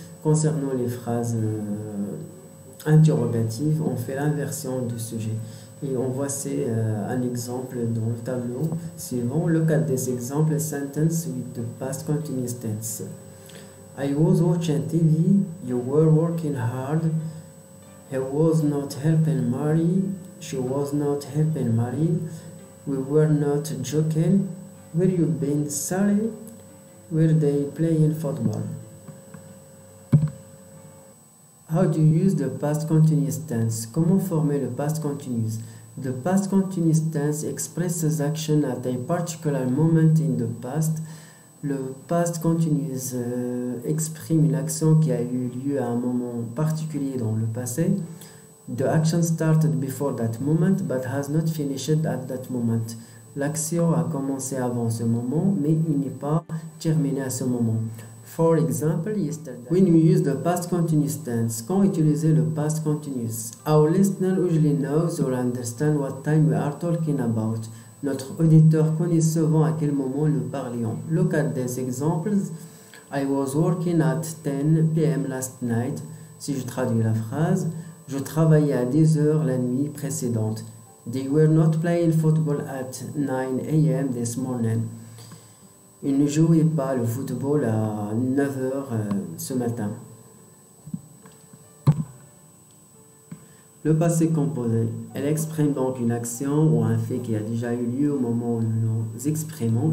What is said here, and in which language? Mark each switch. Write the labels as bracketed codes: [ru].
[fr] Concernant les phrases interrogative, on fait l'inversion du sujet. Et on voit un exemple dans le tableau suivant. [en] Look at this example sentence with the past continuous tense. I was watching TV, you were working hard, he was not helping Marie, she was not helping Marie, we were not joking, where you been Sally, were they playing football? How do you use the past continuous tense? [fr] Comment former le past continuous? [en] The past continuous tense expresses action at a particular moment in the past. [fr] Le past continuous exprime une action qui a eu lieu à un moment particulier dans le passé. [en] The action started before that moment but has not finished at that moment. [fr] L'action a commencé avant ce moment mais il n'est pas terminé à ce moment. [en] For example, yesterday. When we use the past continuous tense, [fr] quand utiliser le past continuous? [en] Our listener usually knows or understands what time we are talking about. [fr] Notre auditeur connaît souvent à quel moment nous parlions. [en] Look at these examples. I was working at 10 p.m. last night. [fr] Si je traduis la phrase, je travaillais à 10 heures la nuit précédente. [en] They were not playing football at 9 a.m. this morning. [fr] Il ne jouait pas le football à 9h ce matin. Le passé composé. Elle exprime donc une action ou un fait qui a déjà eu lieu au moment où nous nous exprimons.